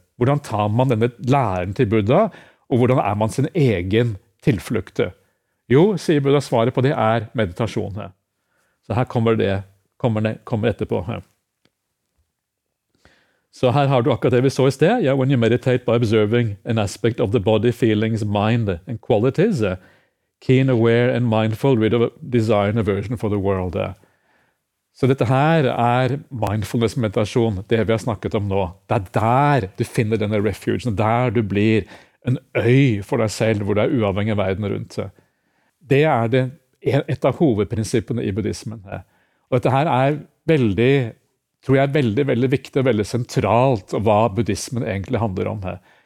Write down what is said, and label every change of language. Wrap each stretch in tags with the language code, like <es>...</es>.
<sv>Hur tar man den läran till Buddha och hur är man sin egen tillflykt? Jo, säger Buddha, svaret på det är meditation. Så här kommer det på.</sv> <no>Så här har du akkurat det vi såg i sted.</no> <en>Yeah, when you meditate by observing an aspect of the body, feelings, mind and qualities, keen, aware and mindful, rid of desire and aversion for the world.</en> <sv>Så detta här är mindfulness meditation, det vi har snackat om nu. Det är där du finner den där refugen, där du blir en ö för dig själv, där du är oavhängig av världen runt. Det är det ett av huvudprinciperna i buddhismen. Och det här är väldigt, tror jag, väldigt väldigt viktigt och väldigt centralt vad buddhismen egentligen handlar om.</sv>